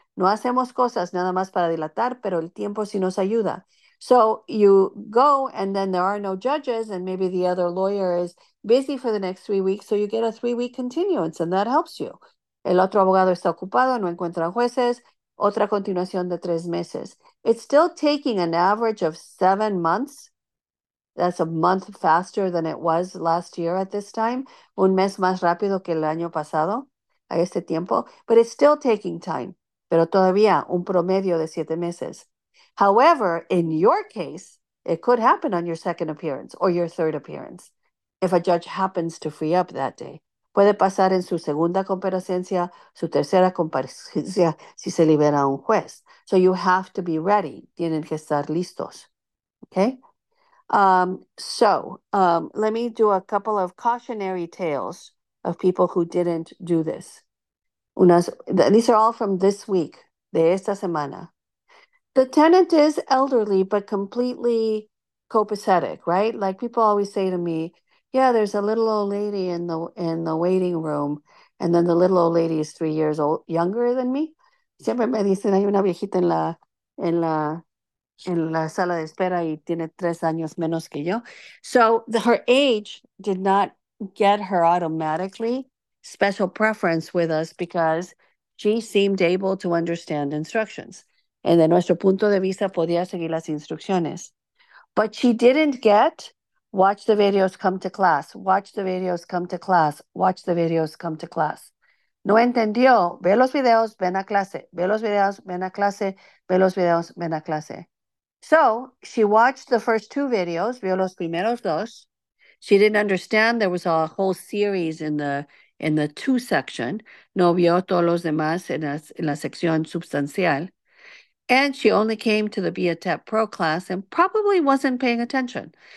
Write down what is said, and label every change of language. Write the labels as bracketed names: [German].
[Spanish] No hacemos cosas nada más para dilatar, pero el tiempo sí nos ayuda. [English] So you go, and then there are no judges, and maybe the other lawyer is busy for the next 3 weeks. So you get a 3 week continuance, and that helps you. [Spanish] El otro abogado está ocupado, no encuentra jueces. Otra continuación de 3 meses. [English] It's still taking an average of 7 months. That's a month faster than it was last year at this time. [Spanish] Un mes más rápido que el año pasado a este tiempo, [English] but it's still taking time. [Spanish] Pero todavía un promedio de 7 meses. [English] However, in your case, it could happen on your second appearance or your third appearance if a judge happens to free up that day. [Spanish] Puede pasar en su segunda comparecencia, su tercera comparecencia, si se libera un juez. [English] So you have to be ready. [Spanish] Tienen que estar listos. [English] Okay? Let me do a couple of cautionary tales of people who didn't do this. These are all from this week, [Spanish] de esta semana. [English] The tenant is elderly, but completely copacetic, right? Like people always say to me, yeah, there's a little old lady in the waiting room, and then the little old lady is 3 years old, younger than me. [Spanish] Siempre me dicen, hay una viejita en la sala de espera y tiene 3 años menos que yo. [English] So her age did not get her automatically special preference with us because she seemed able to understand instructions. And [Spanish] de nuestro punto de vista, podía seguir las instrucciones. [English] But she didn't get watch the videos come to class, watch the videos come to class, watch the videos come to class. [Spanish] No entendió. Ve los videos, ven a clase. Ve los videos, ven a clase. Ve los videos, ven a clase. [English] So she watched the first two videos, [Spanish] vio los primeros dos. [English] She didn't understand there was a whole series in the two section. [Spanish] No vio todos los demás en la sección sustancial. [English] And she only came to the Be a TEP Pro class and probably wasn't paying attention.